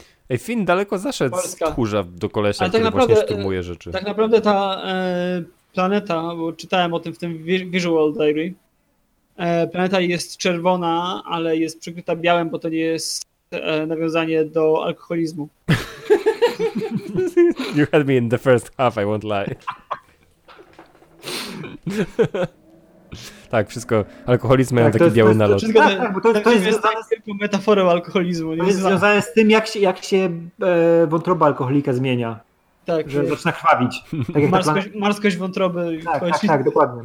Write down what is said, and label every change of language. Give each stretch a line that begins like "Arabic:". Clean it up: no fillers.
Polish: Ej, Finn daleko zaszedł Polska. Z tchórza do kolesia, tak który naprawdę, właśnie szturmuje rzeczy. Tak naprawdę ta planeta, bo czytałem o tym w tym Visual Diary, planeta jest czerwona, ale jest przykryta białym, bo to nie jest nawiązanie do alkoholizmu.
English: You had me in the first half, I won't lie.
Polish: Tak, wszystko, alkoholizm tak, mają taki biały nalot. To jest związane z tylko metaforą alkoholizmu. To jest związane z tym, jak się wątroba alkoholika zmienia. Tak, że zaczyna krwawić. Tak jak marskość wątroby. Tak, dokładnie.